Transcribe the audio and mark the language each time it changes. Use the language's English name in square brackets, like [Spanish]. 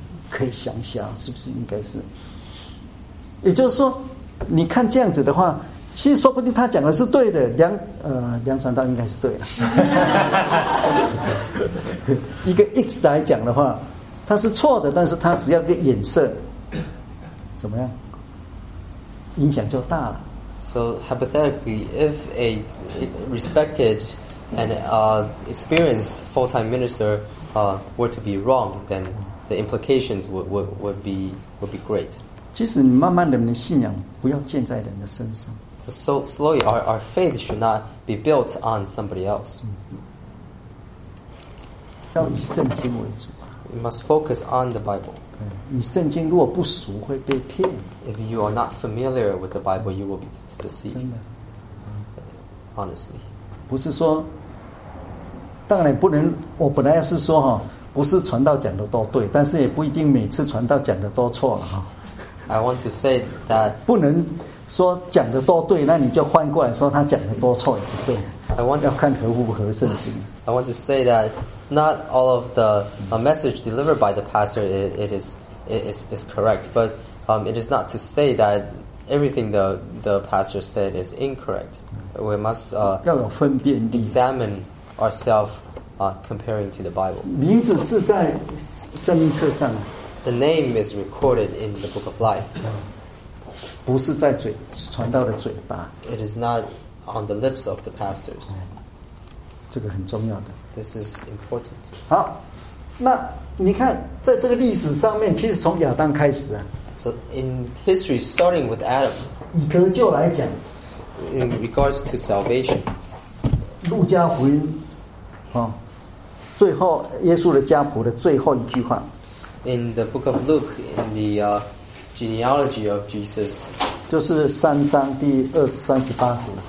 [Chinese] 可以想想，是不是应该是？也就是说，你看这样子的话，其实说不定他讲的是对的。梁传道应该是对的。一个 X 来讲的话，他是错的，但是他只要一个眼色，怎么样？影响就大了。 [English] So hypothetically, if a respected and experienced full-time minister were to be wrong, then the implications would be great. [Chinese] 其实你慢慢的，你的信仰不要建在人的身上。 [English] So slowly, our faith should not be built on somebody else. [Chinese] 要以圣经为主。 [English] We must focus on the Bible. [Chinese] 你圣经如果不熟，会被骗。 [English] If you are not familiar with the Bible, you will be deceived. [Chinese] 真的， [English] honestly, [Chinese] 不是说，当然不能。我本来要是说哈，不是传道讲的都对，但是也不一定每次传道讲的都错了哈。 [English] I want to say that [Chinese] 不能说讲的都对，那你就换过来说他讲的都错也不对。 [English] I want to [Chinese] 要看合不合圣经。 [English] I want to say that not all of the message delivered by the pastor it is correct, but it is not to say that everything the pastor said is incorrect. We must [Chinese] 要有分辨力 [English] examine ourselves comparing to the Bible. [Chinese] 名字是在生命册上。 [English] The name is recorded in the Book of Life. [Chinese] 不是在嘴传道的嘴巴。 [English] It is not on the lips of the pastors. [Chinese] 这个很重要的。 [English] This is important. [Chinese] 好，那你看，在这个历史上面，其实从亚当开始啊。 [English] So in history, starting with Adam. [Chinese] 以得救来讲。 [English] In regards to salvation. [Chinese] 路加福音，啊，最后耶稣的家谱的最后一句话。 [English] In the book of Luke, in the genealogy of Jesus, [Chinese] 就是三章第二十三十八节。